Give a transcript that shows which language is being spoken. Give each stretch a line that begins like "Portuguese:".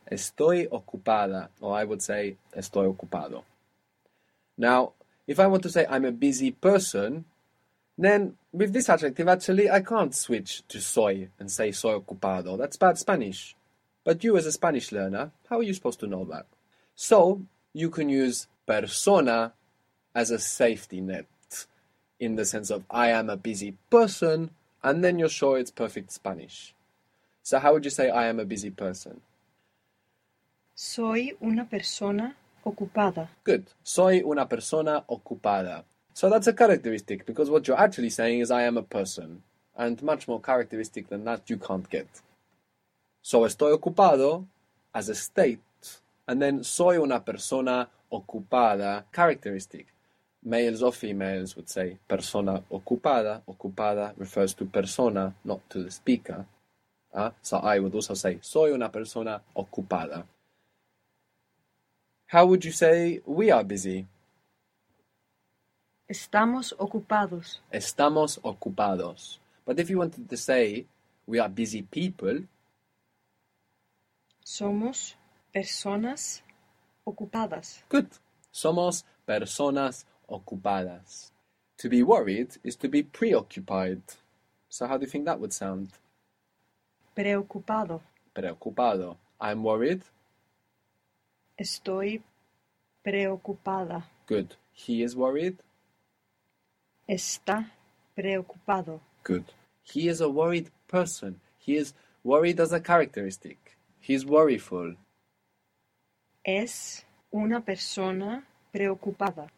Spanish: Estoy ocupada,
English: or I would say
Spanish: estoy ocupado.
English: Now, if I want to say I'm a busy person, then with this adjective, actually, I can't switch to soy and say
Spanish: soy ocupado.
English: That's bad Spanish. But you, as a Spanish learner, how are you supposed to know that? So, you can use persona as a safety net in the sense of I am a busy person, and then you're sure it's perfect Spanish. So, how would you say, I am a busy person?
Spanish: Soy una persona ocupada.
English: Good.
Spanish: Soy una persona ocupada.
English: So, that's a characteristic because what you're actually saying is, I am a person. And much more characteristic than that, you can't get. So,
Spanish: estoy ocupado
English: as a state, and then
Spanish: soy una persona ocupada,
English: characteristic. Males or females would say,
Spanish: persona ocupada.
English: Ocupada refers to persona, not to the speaker. So I would also say,
Spanish: soy una persona ocupada.
English: How would you say we are busy?
Spanish: Estamos ocupados. Estamos ocupados.
English: But if you wanted to say we are busy people,
Spanish: Somos personas ocupadas.
English: good.
Spanish: Somos personas ocupadas.
English: To be worried is to be preoccupied. So how do you think that would sound?
Spanish: Preocupado.
English: Preocupado. I'm worried.
Spanish: Estoy preocupada.
English: Good. He is worried.
Spanish: Está preocupado.
English: Good. He is a worried person. He is worried as a characteristic. He's worryful.
Spanish: Es una persona preocupada.